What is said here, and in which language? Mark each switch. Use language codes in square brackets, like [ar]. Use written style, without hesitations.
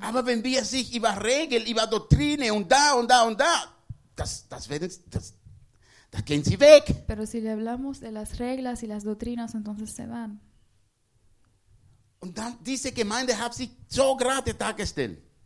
[de] Aber wenn wir sich über Regel, über Doktrine und da und da und da, das gehen sie weg. [es] Pero si le hablamos de las reglas y las doctrinas, entonces se van. [de] Und dann diese Gemeinde hat sich so gerade dargestellt.